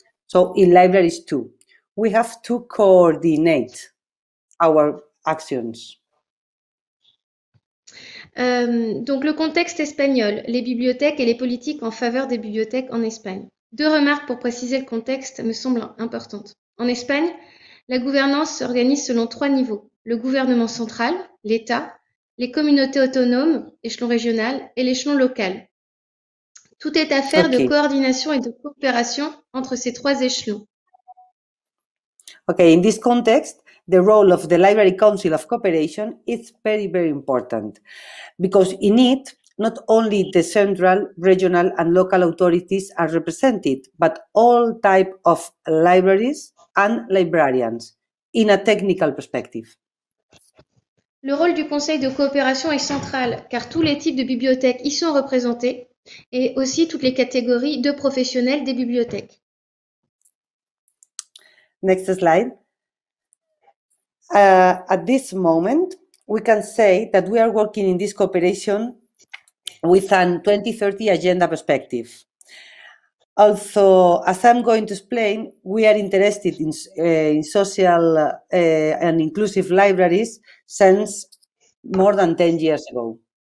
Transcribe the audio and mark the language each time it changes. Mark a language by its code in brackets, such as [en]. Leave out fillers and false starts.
[en] So in libraries too, we have to coordinate our actions. [fr] Donc le contexte espagnol, les bibliothèques et les politiques en faveur des bibliothèques en Espagne. Deux remarques pour préciser le contexte me semblent importantes. En Espagne, la gouvernance s'organise selon trois niveaux. Le gouvernement central, l'État, les communautés autonomes, échelon régional, et l'échelon local. Tout est affaire de coordination et de coopération entre ces trois échelons. [en] OK, in this context, the role of the Library Council of Cooperation is very, very important. Because in it, not only the central, regional, and local authorities are represented, but all types of libraries and librarians in a technical perspective. [fr] Le rôle du Conseil de coopération est central, car tous les types de bibliothèques y sont représentés, et aussi toutes les catégories de professionnels des bibliothèques. [en] Next slide. At this moment, we can say that we are working in this cooperation with a 2030 agenda perspective. Also, as I'm going to explain, we are interested in social and inclusive libraries since more than 10 years ago.